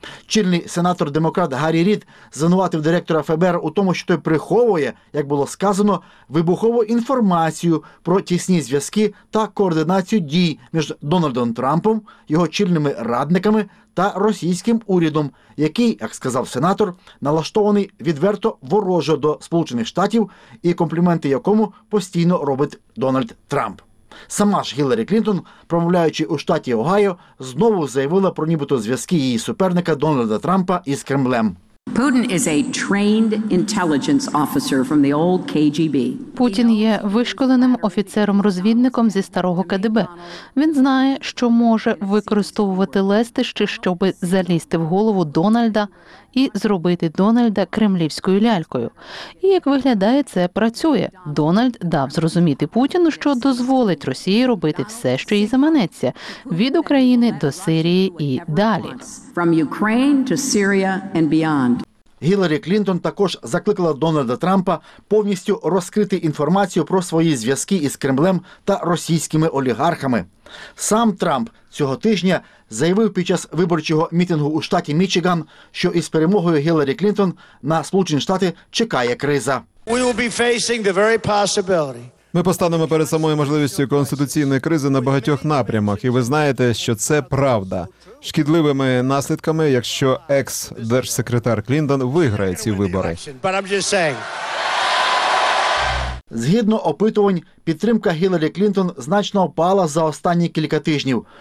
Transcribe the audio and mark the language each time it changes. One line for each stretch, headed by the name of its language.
Ukrainian: Чільний сенатор-демократ Гаррі Рід звинуватив директора ФБР у тому, що той приховує, як було сказано, вибухову інформацію про тісні зв'язки та координацію дій між Дональдом Трампом, його чільними радниками та російським урядом, який, як сказав сенатор, налаштований відверто вороже до Сполучених Штатів і компліменти якому постійно робить Дональд Трамп. Сама ж Гіларі Клінтон, промовляючи у штаті Огайо, знову заявила про нібито зв'язки її суперника Дональда Трампа із Кремлем.
English: Putin is a trained intelligence officer from the old KGB.
Ukrainian: Путін є вишколеним офіцером-розвідником зі старого КДБ. Він знає, що може використовувати лестищі, щоб залізти в голову Дональда і зробити Дональда кремлівською лялькою. І як виглядає, це працює. Дональд дав зрозуміти Путіну, що дозволить Росії робити все, що їй заманеться, від України до Сирії і далі.
English: From Ukraine to Syria and beyond.
Ukrainian: Гіларі Клінтон також закликала Дональда Трампа повністю розкрити інформацію про свої зв'язки із Кремлем та російськими олігархами. Сам Трамп цього тижня заявив під час виборчого мітингу у штаті Мічиган, що із перемогою Гіларі Клінтон на Сполучені Штати чекає криза.
English: We will be facing the very possibility.
Ukrainian: Ми постанемо перед самою можливістю конституційної кризи на багатьох напрямах, і ви знаєте, що це правда. Шкідливими наслідками, якщо екс-держсекретар Клінтон виграє ці вибори. Згідно опитувань, підтримка Гіларі Клінтон значно впала за останні кілька тижнів.